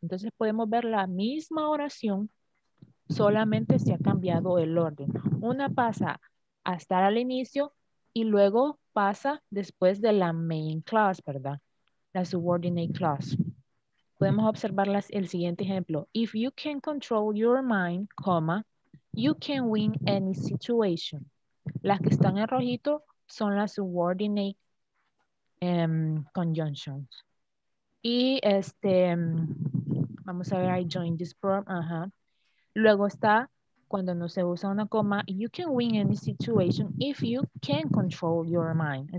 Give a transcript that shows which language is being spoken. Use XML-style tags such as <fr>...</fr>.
<es>Entonces podemos ver la misma oración, solamente se ha cambiado el orden. Una pasa a estar al inicio y luego pasa después de la main clause, ¿verdad? La subordinate clause. Podemos observar el siguiente ejemplo.</es> <en>If you can control your mind, comma, you can win any situation.</en> <es>Las que están en rojito son las subordinate conjunctions. Y vamos a ver,</es> <en>I joined this program.</en> <es>Ajá. Luego está, cuando no se usa una coma,</es> <en>you can win any situation if you can control your mind.</en>